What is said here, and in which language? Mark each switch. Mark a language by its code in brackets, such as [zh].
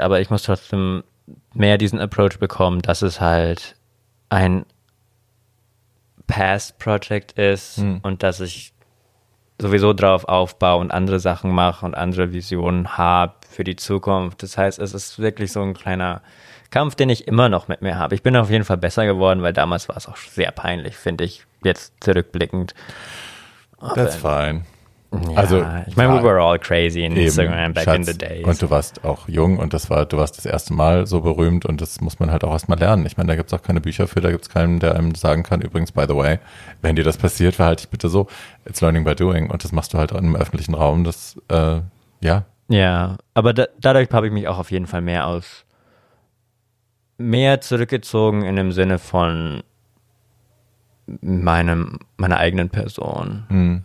[de] Aber ich muss trotzdem mehr diesen Approach bekommen, dass es halt ein Past-Project ist und dass ich sowieso drauf aufbaue und andere Sachen mache und andere Visionen habe für die Zukunft. Das heißt, es ist wirklich so ein kleiner Kampf, den ich immer noch mit mir habe. Ich bin auf jeden Fall besser geworden, weil damals war es auch sehr peinlich, finde ich, jetzt zurückblickend. [en] Aber that's fine. [de] Ja, also, ich meine, [en] we were all crazy in Instagram back in the days. [de] Und du warst auch jung und du warst das erste Mal so berühmt und das muss man halt auch erstmal lernen. Ich meine, da gibt es auch keine Bücher für, da gibt es keinen, der einem sagen kann, übrigens, by the way, wenn dir das passiert, verhalte dich bitte so. [en] It's learning by doing [de] und das machst du halt auch im öffentlichen Raum. Das, ja. Ja, aber dadurch habe ich mich auch auf jeden Fall mehr zurückgezogen in dem Sinne von meiner eigenen Person.